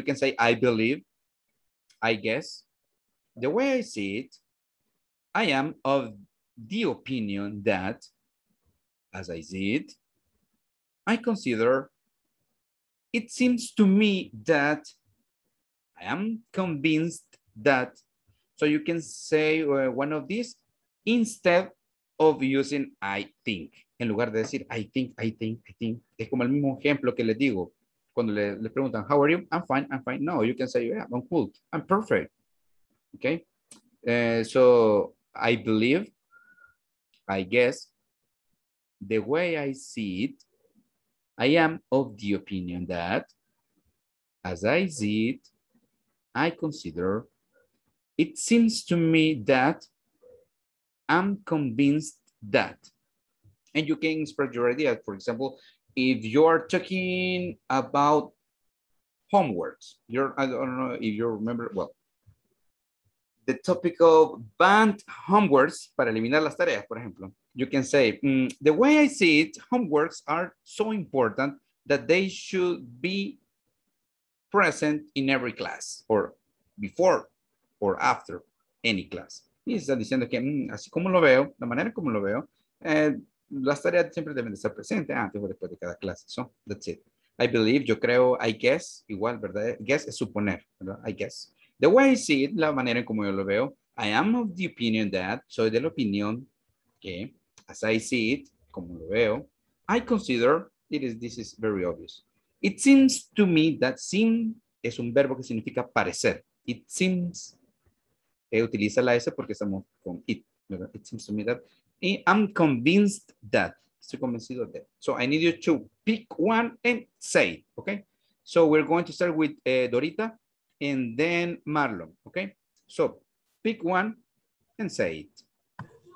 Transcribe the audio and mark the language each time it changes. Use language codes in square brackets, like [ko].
[en] You can say, "I believe," "I guess," "the way I see it," "I am of the opinion that," "as I see it," "I consider," "it seems to me that," "I am convinced that." So you can say one of these instead of using I think. [es] En lugar de decir [en] I think. [es] Es como el mismo ejemplo que les digo. Cuando le preguntan, [en] how are you? I'm fine. No, you can say, yeah, I'm cool. I'm perfect. Okay. So I believe, I guess, the way I see it, I am of the opinion that as I see it, I consider, it seems to me that I'm convinced that. And you can spread your idea. For example, if you are talking about homeworks, I don't know if you remember, well, the topic of banned homeworks [es] para eliminar las tareas, por ejemplo. [en] You can say, the way I see it, homeworks are so important that they should be present in every class or before or after any class. [es] Y están diciendo que así como lo veo, la manera como lo veo, las tareas siempre deben de estar presentes antes o después de cada clase. [en] So, that's it. I believe, [es] yo creo, [en] I guess, [es] igual, ¿verdad? [en] Guess [es] es suponer, ¿verdad? [en] I guess. The way I see it, [es] la manera en como yo lo veo, [en] I am of the opinion that, [es] soy de la opinión que, [en] as I see it, [es] como lo veo, [en] I consider, this is very obvious. It seems to me that seem [es] es un verbo que significa parecer. [en] It seems, [es] utiliza la S porque estamos con it, ¿verdad? [en] It seems to me that, I'm convinced that, [es] estoy convencido de. [en] So I need you to pick one and say, okay? So we're going to start with Dorita and then Marlon, okay? So pick one and say it.